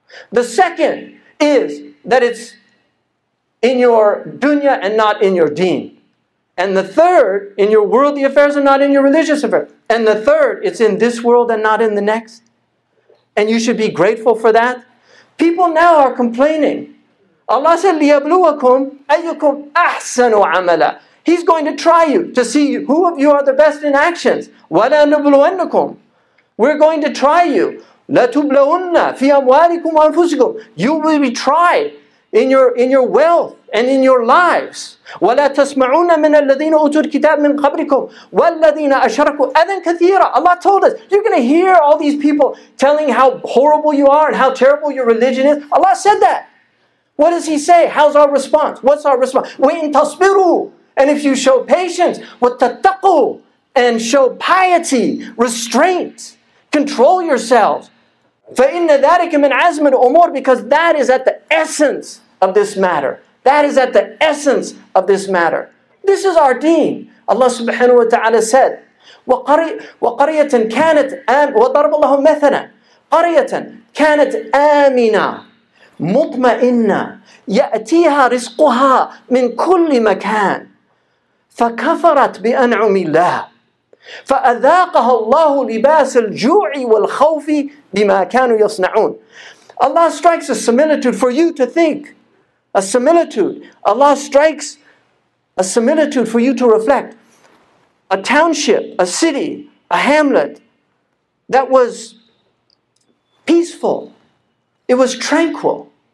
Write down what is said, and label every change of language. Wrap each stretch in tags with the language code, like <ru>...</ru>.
<en>The second is that it's in your dunya and not in your deen. And the third, in your worldly affairs and not in your religious affairs. And the third, it's in this world and not in the next. And you should be grateful for that. People now are complaining. Allah said,</en> <ar>لِيَبْلُوَكُمْ أَيُّكُمْ أَحْسَنُ عَمَلًا.</ar> <en>He's going to try you to see who of you are the best in actions.</en> <ar>وَلَنُبْلُوَنَّكُمْ.</ar> <en>We're going to try you.</en> <ar>لَتُبْلَوُنَّ فِي أَمْوَالِكُمْ وَأَنفُسِكُمْ.</ar> <en>You will be tried in your wealth. And in your lives.</en> <ar>وَلَا تَسْمَعُونَ مِنَ الَّذِينَ أُوتُوا الْكِتَابِ مِنْ قَبْرِكُمْ وَالَّذِينَ أَشَرَكُوا أَذًا كَثِيرًا.</ar> <en>Allah told us, you're going to hear all these people telling how horrible you are and how terrible your religion is. Allah said that. What does He say? How's our response? What's our response?</en> <ar>وَإِن تَصْبِرُوا.</ar> <en>And if you show patience,</en> <ar>وَتَتَّقُوا.</ar> <en>And show piety, restraint, control yourselves.</en> <ar>فَإِنَّ ذَلِكَ مِنْ عَزْمِ الْأُمُورِ.</ar> <en>Because that is at the essence of this matter. That is at the essence of this matter. This is our deen. Allah subhanahu wa ta'ala said,</en> <ar>وَقَرِيَةً كَانَتْ آمِنَةً وَضَرَبَ اللَّهُ مَثَلًا قَرِيَةً كَانَتْ آمِنَةً مُطْمَئِنَّةً يَأْتِيهَا رِزْقُهَا مِنْ كُلِّ مَكَانٍ فَكَفَرَتْ بِأَنْعُمِ اللَّهِ فَأَذَاقَهَا اللَّهُ لِبَاسَ الْجُوعِ وَالْخَوْفِ بِمَا كَانُوا يَصْنَعُونَ.</ar> <en>Allah strikes a similitude for you to think. A similitude. Allah strikes a similitude for you to reflect. A township, a city, a hamlet that was peaceful. It was tranquil.</en>